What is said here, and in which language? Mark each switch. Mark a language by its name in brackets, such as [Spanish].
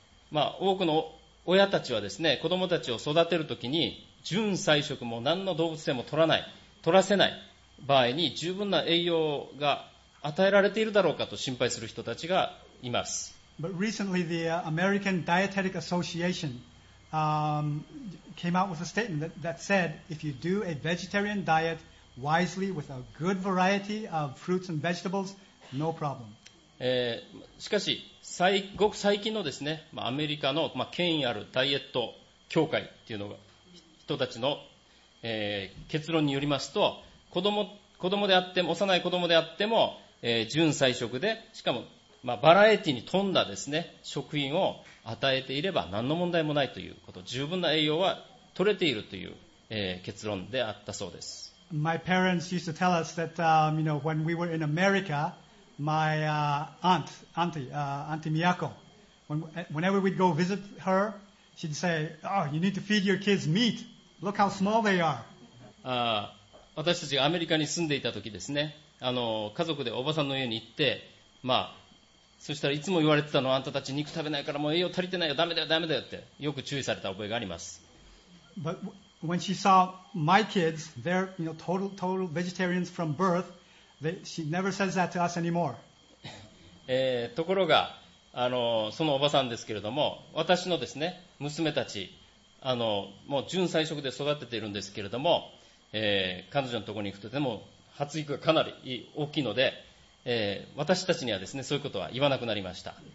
[Japanese] まあ多くの親たちはですね、子供たちを育てるときに純菜食も何の動物性も取らせない場合に十分な栄養が与えられているだろうかと心配する人たちがいます。 [English] But recently, the American Dietetic Association came out with a statement that said, if you do a vegetarian diet wisely with a good variety of fruits and vegetables, no problem. [Japanese] しかし、ごく最近のですね、アメリカの権威あるダイエット協会っていうのが人たちの、結論によりますと、子供であっても、幼い子供であっても、純菜食で、しかもまあ、バラエティに富んだですね、食品を与えていれば何の問題もないということ、十分な栄養は取れているという、結論であったそうです。 [English] My parents used to tell us that, you know, when we were in America, my aunt, auntie Miyako, Whenever we'd go visit her, she'd say, "Oh, you need to feed your kids meat. Look how small they are." [Japanese] 私たちがアメリカに住んでいた時ですね、家族でおばさんの家に行って、まあ、そしたらいつも言われてたのは、あんたたち肉食べないからもう栄養足りてないよ、ダメだよダメだよってよく注意された覚えがあります。 [English] But when she saw my kids, they're, you know, total vegetarians from birth, she never says that to us anymore. [Japanese] ところが、そのおばさんですけれども、私のですね、娘たち、もう純菜食で育てているんですけれども、彼女のところに行くとでも発育がかなり大きいので、私たちにはですねそういうことは言わなくなりました。